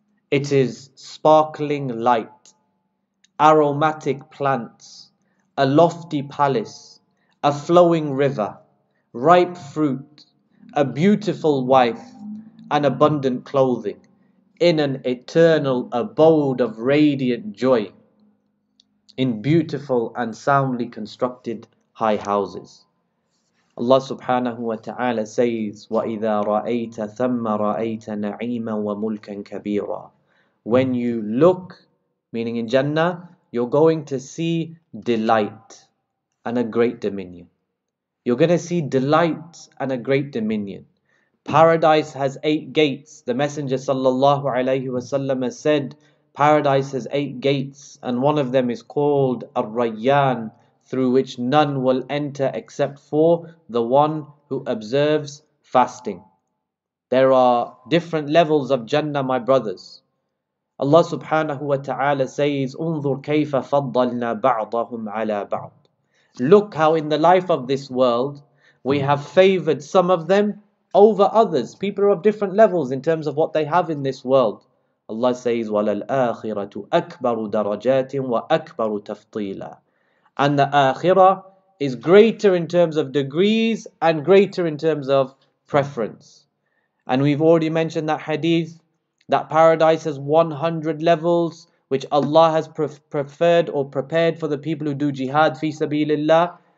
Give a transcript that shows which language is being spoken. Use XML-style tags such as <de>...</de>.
<en>it is sparkling light, aromatic plants, a lofty palace, a flowing river, ripe fruit, a beautiful wife, and abundant clothing, in an eternal abode of radiant joy, in beautiful and soundly constructed high houses. Allah subhanahu wa ta'ala says,</en> <ar>وَإِذَا رَأَيْتَ ثَمَّ رَأَيْتَ نَعِيمًا وَمُلْكًا كَبِيرًا.</ar> <en>When you look, meaning in Jannah, you're going to see delight and a great dominion. You're going to see delight and a great dominion. Paradise has 8 gates. The Messenger sallallahu alayhi wa sallam has said, paradise has 8 gates, and one of them is called Ar-Rayyan, through which none will enter except for the one who observes fasting. There are different levels of Jannah, my brothers. Allah subhanahu wa ta'ala says,</en> <ar>انظر كيف فضلنا بعضهم على بعض.</ar> <en>Look how in the life of this world, we have favored some of them over others. People are of different levels in terms of what they have in this world. Allah says,</en> <ar>وَلَلْآخِرَةُ أَكْبَرُ دَرَجَاتٍ وَأَكْبَرُ تَفْطِيلًا.</ar> <en>And the Akhirah is greater in terms of degrees and greater in terms of preference. And we've already mentioned that hadith, that paradise has 100 levels, which Allah has preferred or prepared for the people who do jihad fi sabilillah.</en>